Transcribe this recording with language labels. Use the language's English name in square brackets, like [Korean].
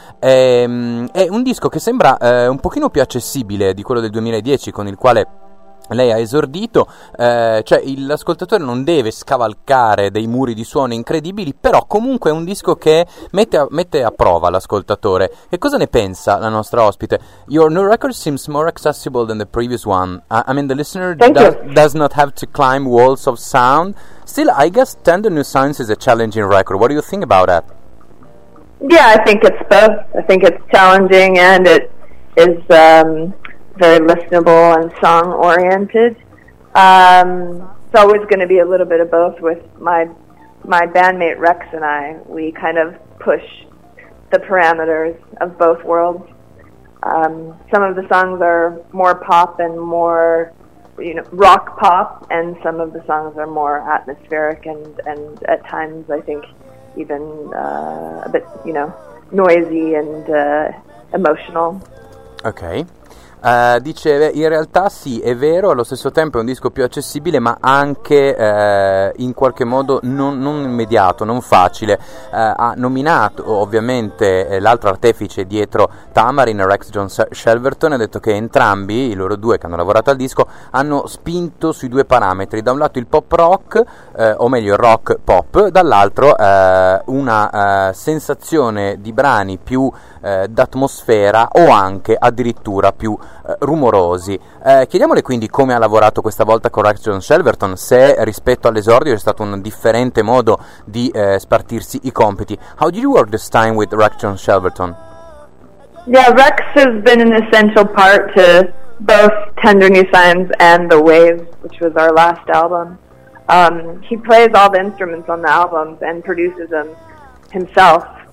[Italian] È un disco che sembra un pochino più accessibile di quello del 2010 con il quale lei ha esordito, cioè l'ascoltatore non deve scavalcare dei muri di suono incredibili, però comunque è un disco che mette a prova l'ascoltatore. E cosa ne pensa la nostra ospite? [English] Your new record seems more accessible than the previous one. I mean, the listener does not have to climb walls of sound. Still, I guess Tender New Signs is a challenging record. What do you think about that? Yeah, I think it's both. I think it's challenging and it is very listenable and song oriented. It's always going to be a little bit of both with my bandmate Rex and I. We kind of push the parameters of both worlds. Some of the songs are more pop and more, you know, rock pop, and some of the songs are more atmospheric and at times I think even a bit, you know, noisy and emotional. Okay. [Italian] Dice, in realtà sì, è vero, allo stesso tempo è un disco più accessibile, ma anche in qualche modo non immediato, non facile. Ha nominato ovviamente l'altro artefice dietro Tamarin, Rex John Shelverton, ha detto che entrambi, i loro due che hanno lavorato al disco, hanno spinto sui due parametri: da un lato il pop rock, o meglio il rock pop, dall'altro una sensazione di brani più d'atmosfera o anche addirittura più rumorosi. Chiediamole quindi come ha lavorato questa volta con Rex John Shelverton, se rispetto all'esordio è stato un differente modo di spartirsi i compiti. [English] How did you work this time with Rex John Shelverton? Yeah, Rex has been an essential part to both Tender New Signs and The Waves, which was our last album. He plays all the instruments on the albums and produces them himself.